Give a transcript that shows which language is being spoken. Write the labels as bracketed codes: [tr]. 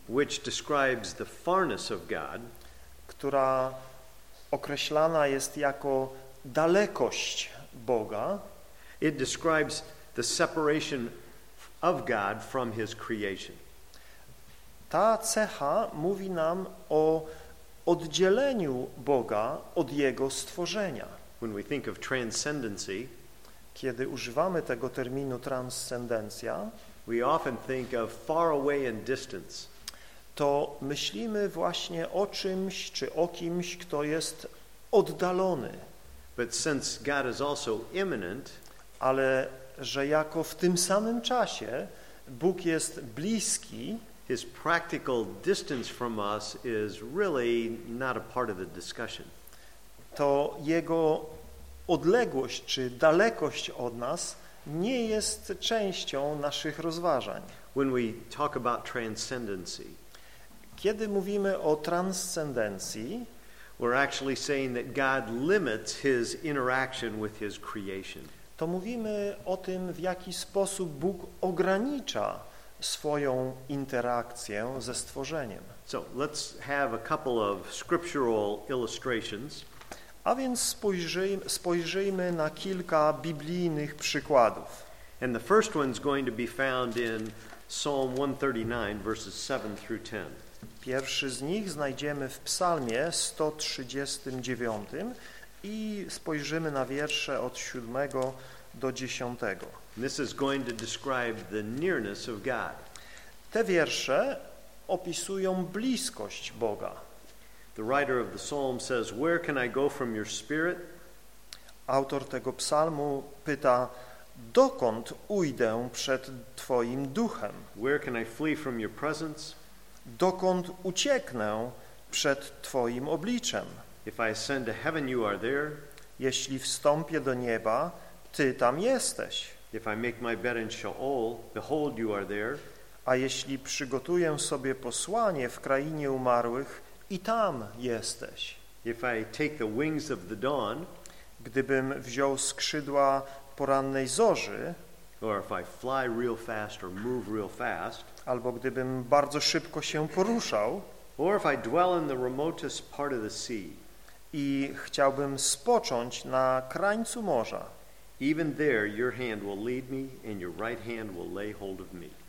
[en] which describes the farness of God, [pl] która określana jest jako dalekość Boga, [en] it describes the separation of God from his creation. [pl] Ta cecha mówi nam o oddzieleniu Boga od jego stworzenia. [en] When we think of transcendency, [pl] kiedy używamy tego terminu transcendencja, [en] we often think of far away and distance. [pl] To myślimy właśnie o czymś czy o kimś, kto jest oddalony. [en] But since God is also imminent, [pl] ale że jako w tym samym czasie Bóg jest bliski, [en] his practical distance from us is really not a part of the discussion. [pl] To jego odległość czy dalekość od nas nie jest częścią naszych rozważań. [en] When we talk about transcendency, [pl] kiedy mówimy o transcendencji, [en] we're actually saying that God limits his interaction with his creation. [pl] To mówimy o tym, w jaki sposób Bóg ogranicza swoją interakcję ze stworzeniem. [en] So, let's have a couple of scriptural illustrations. [pl] A więc spojrzyjmy na kilka biblijnych przykładów. [en] And the first one's going to be found in Psalm 139, verses 7 through 10. [pl] Pierwszy z nich znajdziemy w Psalmie 139 i spojrzymy na wiersze od 7 do 10. [en] This is going to describe the nearness of God. [pl] Te wiersze opisują bliskość Boga. [en] The writer of the psalm says, "Where can I go from your spirit?" [pl] Autor tego psalmu pyta, dokąd ujdę przed Twoim duchem? [en] Where can I flee from your presence? [pl] Dokąd ucieknę przed Twoim obliczem? [en] If I ascend to heaven, you are there. [pl] Jeśli wstąpię do nieba, Ty tam jesteś. [en] If I make my bed in Sheol, behold, you are there. [pl] A jeśli przygotuję sobie posłanie w krainie umarłych, i tam jesteś. [en] If I take the wings of the dawn, [pl] gdybym wziął skrzydła porannej zorzy, [en] or if I fly real fast or move real fast, [pl] albo gdybym bardzo szybko się poruszał, [en] or if I dwell in the remotest part of the sea, [pl] i chciałbym spocząć na krańcu morza, [en] even there your hand will lead me and your right hand will lay hold of me.